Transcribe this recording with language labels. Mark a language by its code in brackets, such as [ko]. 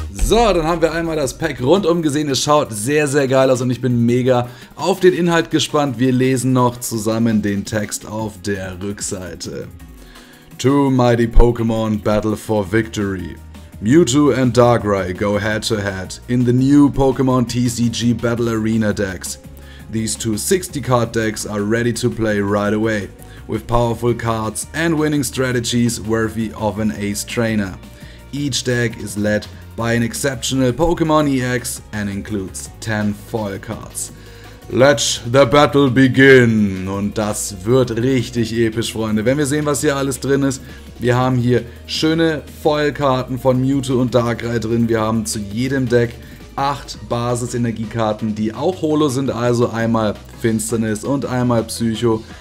[de] So, dann haben wir einmal das Pack rundum gesehen. Es schaut sehr, sehr geil aus und ich bin mega auf den Inhalt gespannt. Wir lesen noch zusammen den Text auf der Rückseite. [en] Two mighty Pokémon battle for victory. Mewtwo and Darkrai go head to head in the new Pokémon TCG Battle Arena decks. These two 60-card decks are ready to play right away, with powerful cards and winning strategies worthy of an ace trainer. Each deck is led by an exceptional Pokémon EX and includes 10 Foil Cards. Let the battle begin! [de] Und das wird richtig episch, Freunde. Wenn wir sehen, was hier alles drin ist, wir haben hier schöne Foil-Karten von Mewtwo und Darkrai drin. Wir haben zu jedem Deck 8 Basis-Energiekarten, die auch Holo sind, also einmal Finsternis und einmal Psycho.